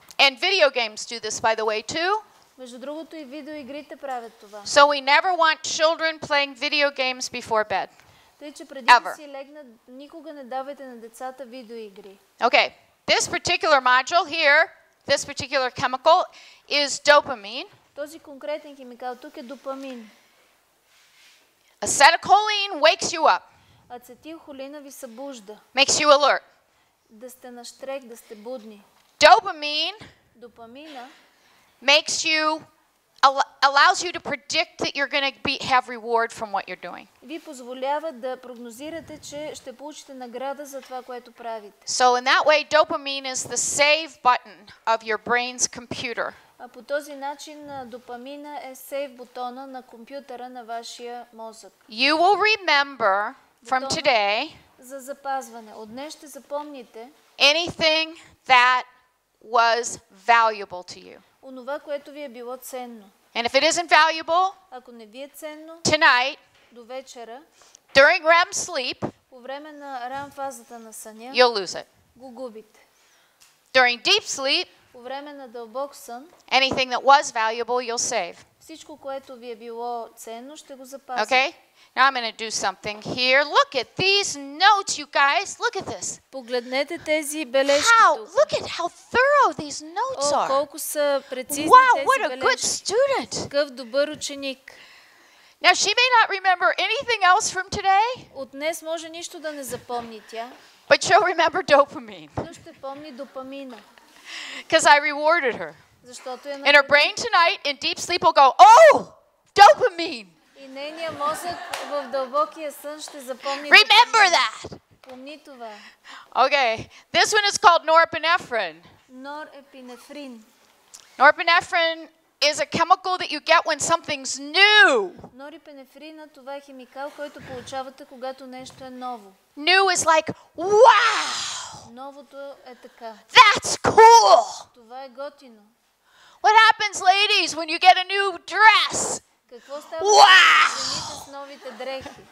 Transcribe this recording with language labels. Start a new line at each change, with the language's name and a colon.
English: And video games do this, by the way, too.
Bulgarian: Между другото и видеоигрите правят това.
English: So we never want children playing video games before bed.
Bulgarian: Тъй, че преди да си легнат, никога не давайте на децата видеоигри.
English: Okay, this particular module here, this particular chemical is dopamine.
Bulgarian: Този конкретен химикал тук е допамин.
English: Acetylcholine wakes you up.
Bulgarian: Ацетилхолина ви събужда.
English: Makes you alert.
Bulgarian: Да сте на штрек, да сте будни.
English: Dopamine makes you allows you to predict that you're going to have reward from what you're doing.
Bulgarian: Ви позволява да прогнозирате, че ще получите награда за това, което правите.
English: So in that way, dopamine is the save button of your brain's computer.
Bulgarian: А по този начин допамина е сейв бутона на компютъра на вашия мозък.
English: You will remember from today.
Bulgarian: За запазване. От днес ще запомните.
English: Anything that was valuable to you.
Bulgarian: Онова, което ви е било ценно.
English: And if it isn't valuable,
Bulgarian: ако не ви е ценно,
English: tonight,
Bulgarian: до вечера,
English: during REM sleep,
Bulgarian: по време на REM фазата на съня,
English: you'll lose it.
Bulgarian: Го губите.
English: During deep sleep,
Bulgarian: по време на дълбок сън,
English: anything that was valuable, you'll save.
Bulgarian: Всичко, което ви е било ценно, ще го запазите.
English: Okay? Now I'm going to do something here. Look at these notes, you guys. Look at this.
Bulgarian: Погледнете тези бележки.
English: How? Look at how thorough these notes are.
Bulgarian: Колко са прецизни.
English: Wow, what a good student.
Bulgarian: Какъв добър ученик.
English: Now she may not remember anything else from today.
Bulgarian: От днес може нищо да не запомни тя.
English: But she'll remember dopamine.
Bulgarian: Но ще помни допамина.
English: Because I rewarded her.
Bulgarian: Защото я
English: And her brain tonight in deep sleep will go, oh, dopamine.
Bulgarian: И нейният мозък в дълбокия сън ще запомни.
English: Remember that.
Bulgarian: Помни това.
English: Okay, this one is called norepinephrine.
Bulgarian: Норепинефрин.
English: Norepinephrine is a chemical that you get when something's new.
Bulgarian: Норепинефрина, това е химикал, който получавате когато нещо е ново.
English: New is like wow.
Bulgarian: Новото е така.
English: That's cool.
Bulgarian: Това е готино.
English: What happens, ladies, when you get a new dress?
Bulgarian: Какво става с новите дрехи?